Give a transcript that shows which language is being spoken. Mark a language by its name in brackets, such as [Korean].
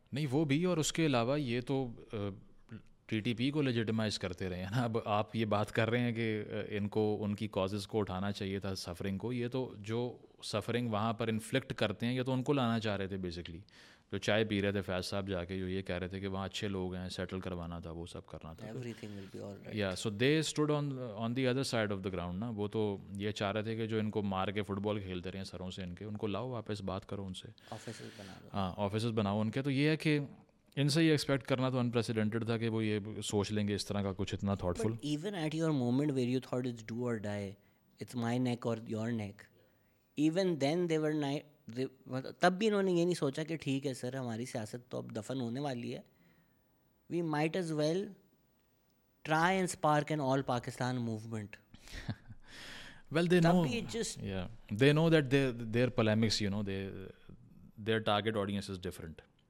[Urdu] نہیں وہ بھی, اور اس کے علاوہ یہ تو ٹی ٹی پی کو لیجیٹمائز کرتے رہے ہیں نا. اب آپ یہ بات کر رہے ہیں کہ ان کو ان کی کازز کو اٹھانا چاہیے تھا, سفرنگ کو. یہ تو جو سفرنگ وہاں پر انفلکٹ کرتے ہیں, یہ تو ان کو لانا چاہ رہے تھے بیسکلی. جو چائے پی رہے تھے فیض صاحب جا کے, جو یہ کہہ رہے تھے کہ وہاں اچھے لوگ ہیں, سیٹل کروانا تھا, وہ سب کرنا تھا, [English] Everything will be all right. یا so they stood on the other side of the ground نا. [Urdu] وہ تو یہ چاہ رہے تھے کہ جو ان کو مار کے فٹ بال کھیلتے رہے ہیں سروں سے ان کے, ان کو لاؤ واپس, بات کرو ان سے, آفیسز بناؤ ان کے. تو یہ ہے کہ ان سے یہ ایکسپیکٹ کرنا تو انپریسیڈنٹڈ تھا کہ وہ یہ سوچ لیں گے اس طرح کا کچھ اتنا thought full. [English] even at your moment where you thought it's do or die, it's my neck or your neck, even then they were night, [Urdu] تب بھی انہوں نے یہ نہیں سوچا کہ ٹھیک ہے سر ہماری سیاست تو اب دفن ہونے والی ہے, [English] We might as well try and spark an all Pakistan movement. Well, they know. They know that their polemics, you know, their target audience is different.